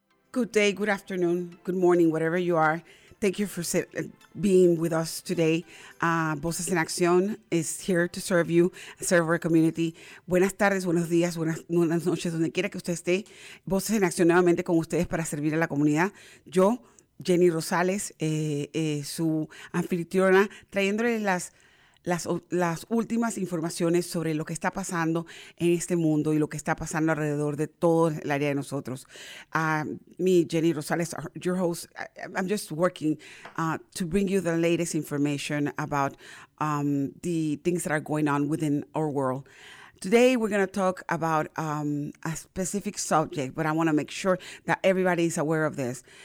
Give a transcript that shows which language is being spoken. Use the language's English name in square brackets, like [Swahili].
[English] Good day, good afternoon, good morning, whatever you are. Thank you for being with us today. Voces en Acción is here to serve you, serve our community. [Spanish] Buenas tardes, buenos días, buenas noches, donde quiera que usted esté. Voces en Acción nuevamente con ustedes para servir a la comunidad. Yo, Jenny Rosales, su anfitriona, trayéndole las últimas informaciones sobre lo que está pasando en este mundo y lo que está pasando alrededor de todo el área de nosotros. [English] Me, Jenny Rosales, your host, I'm just working to bring you the latest information about the things that are going on within our world. Today, we're going to talk about a specific subject, but I want to make sure that everybody is aware of this.